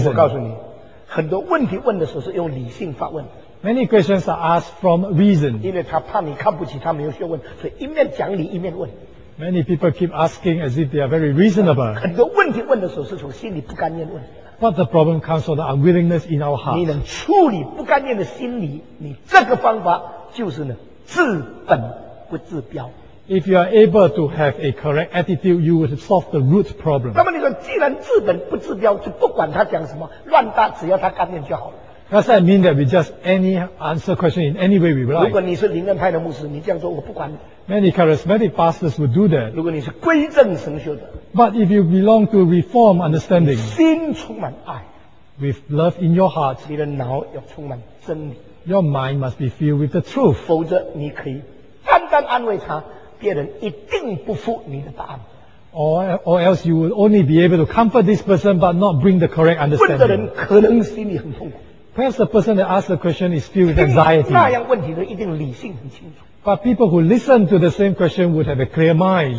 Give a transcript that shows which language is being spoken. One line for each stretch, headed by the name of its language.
Chinese: 所以我告诉你，很多问题问的时候是用理性发问。
English: Many questions are asked from reason.
Chinese: 因为他怕你看不起他，没有学问，所以一面讲理一面问。
English: Many people keep asking as if they are very reasonable.
Chinese: 很多问题问的时候是从心里不甘愿问。
English: But the problem comes from the unwillingness in our heart.
Chinese: 你能处理不甘愿的心理，你这个方法就是呢，治本不治标。
English: If you are able to have a correct attitude, you will solve the root problem.
Chinese: 那么你说，既然治本不治标，就不管他讲什么乱搭，只要他甘愿就好了。
English: Does that mean that we just any answer question in any way we like?
Chinese: 如果你是灵恩派的牧师，你这样说，我不管你。
English: Many charismatic pastors would do that.
Chinese: 如果你是归正神学的。
English: But if you belong to reform understanding,
Chinese: 心充满爱
English: ，with love in your heart,
Chinese: 你的脑要充满真理。
English: Your mind must be filled with the truth.
Chinese: 否则你可以单单安慰他。别人一定不服你的答案。
English: Or else you would only be able to comfort this person but not bring the correct understanding.
Chinese: 问的人可能心里很痛苦。
English: Perhaps the person that asks the question is filled with anxiety.
Chinese: 那样问题的一定理性很清楚。
English: But people who listen to the same question would have a clear mind.